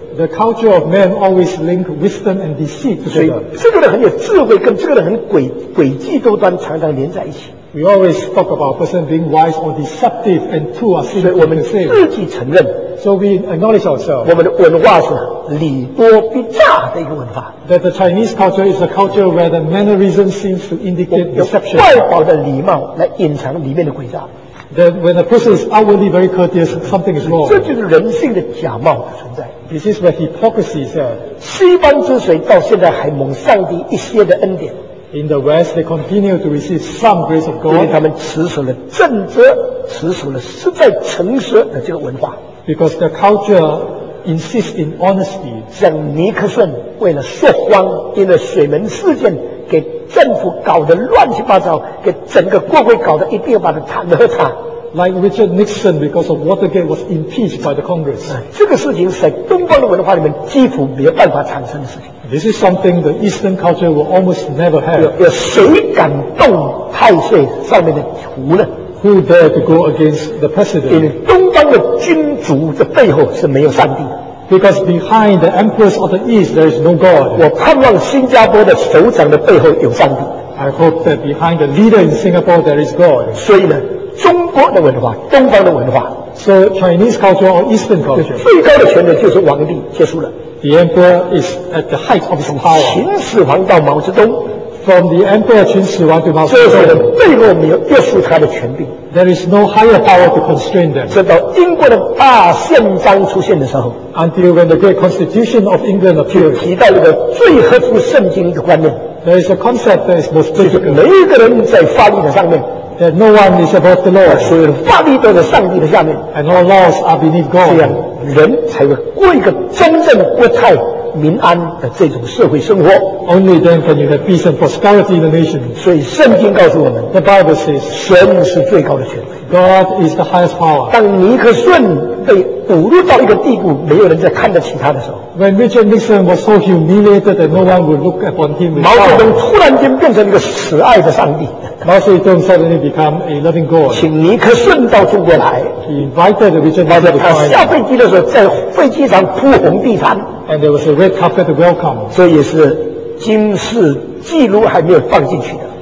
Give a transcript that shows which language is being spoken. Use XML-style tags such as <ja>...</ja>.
<en>The culture of man always link wisdom and deceit together.</en> <zh>所以这个人很有智慧，跟这个人很诡计多端，常常连在一起。</zh> <en>We always talk about a person being wise or deceptive, and two are seen.</en> <zh>所以我们自己承认。</zh> <en>So we acknowledge ourselves.</en> <zh>我们的文化是礼多必诈的一个文化。</zh> <en>That the Chinese culture is a culture where the mannerism seems to indicate deception.</en> <zh>外表的礼貌来隐藏里面的诡诈。</zh> <en>That when a person is outwardly very courteous, something is wrong.</en> <zh>这就是人性的假冒的存在。</zh> <en>This is where hypocrisy is at.</en> <zh>西方之水到现在还蒙上帝一些的恩典。</zh> <en>In the West, they continue to receive some grace of God.</en> <zh>因为他们持守了正直，持守了实在诚实的这个文化。</zh> <en>Because the culture insists in honesty.</en> <zh>像尼克逊为了说谎，因为水门事件给政府搞得乱七八糟，给整个国会搞得一定要把他弹劾他。</zh> <en>Like Richard Nixon, because of Watergate, was impeached by the Congress.</en> <zh>这个事情是在东方的文化里面几乎没有办法产生的事情。</zh> <en>This is something the Eastern culture will almost never have.</en> <zh>有谁敢动太岁上面的图呢</zh> <en>？Who dare to go against the president?</en> <zh>因为东方的君主的背后是没有上帝的。</zh> <en>Because behind the emperors of the East, there is no God.</en> <zh>我盼望新加坡的首长的背后有上帝。</zh> <en>I hope that behind the leader in Singapore, there is God.</en> <zh>所以呢？中国的文化，东方的文化</zh> <en>，So Chinese culture or Eastern culture，</en> <zh>最高的权力就是皇帝，结束了。</zh> <en>The emperor is at the height of his power。</en> <zh>秦始皇到毛泽东</zh> <en>，From the emperor</en> <zh>秦始皇到毛泽东，这些背后没有约束他的权力。</zh> <en>There is no higher power to constrain them。</en> <zh>直到英国的大宪章出现的时候</zh> <en>，Until when the Great Constitution of England appeared，</en> <zh>提到一个最合乎圣经的观念。</zh> <en>There is a concept that is most difficult。</en> <zh>就是每一个人在法律的上面。</zh> <en>That no one is above the law.</en> <zh>所有的法律都在上帝的下面。</zh> <en>And all laws are beneath God.</en> <zh>这样人才会过一个真正国泰民安的这种社会生活。</zh> <en>Only then can you have peace and prosperity in the nation.</en> <zh>所以圣经告诉我们</zh> <en>，The Bible says,</en> <zh>神是最高的权威。</zh> <en>God is the highest power.</en> <zh>当尼克逊被堵入到一个地步，没有人再看得起他的时候。</zh> <en>When Richard Nixon was so humiliated that no one would look upon him with awe.</en> <zh>毛泽东突然间变成一个慈爱的上帝。</zh> <en>Mao Zedong suddenly became a loving God.</en> <zh>请尼克逊到中国来。</zh> <en>He invited Richard Nixon to come.</en> <zh>下飞机的时候，在飞机上铺红地毯。</zh> <en>And there was a red carpet welcome.</en> <zh>这也是金氏记录还没有放进去的。</zh>